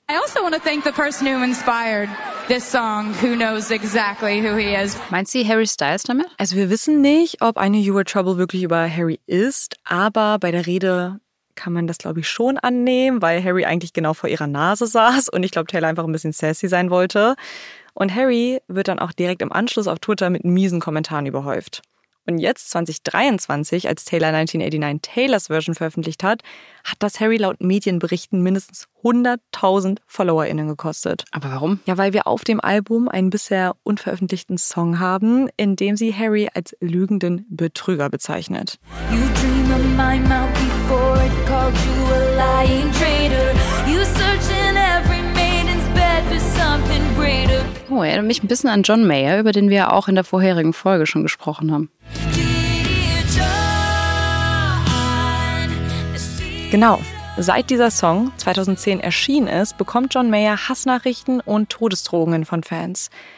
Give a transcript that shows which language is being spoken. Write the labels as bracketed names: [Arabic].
[English] I also want to thank the person who inspired this song, who knows exactly who he is. [German] Meint sie Harry Styles damit? Also wir wissen nicht, ob I Knew You Were Trouble wirklich über Harry ist, aber bei der Rede kann man das, glaube ich, schon annehmen, weil Harry eigentlich genau vor ihrer Nase saß und ich glaube, Taylor einfach ein bisschen sassy sein wollte. Und Harry wird dann auch direkt im Anschluss auf Twitter mit miesen Kommentaren überhäuft. Und jetzt 2023, als Taylor 1989 Taylors Version veröffentlicht hat, hat das Harry laut Medienberichten mindestens 100.000 FollowerInnen gekostet. Aber warum? Ja, weil wir auf dem Album einen bisher unveröffentlichten Song haben, in dem sie Harry als lügenden Betrüger bezeichnet. [English] You dream of my mouth before it called you a lying traitor. You search in every maiden's bed for something greater. [German] Oh, erinnert mich ein bisschen an John Mayer, über den wir auch in der vorherigen Folge schon gesprochen haben. Genau. Seit dieser Song 2010 erschienen ist, bekommt John Mayer Hassnachrichten und Todesdrohungen von Fans.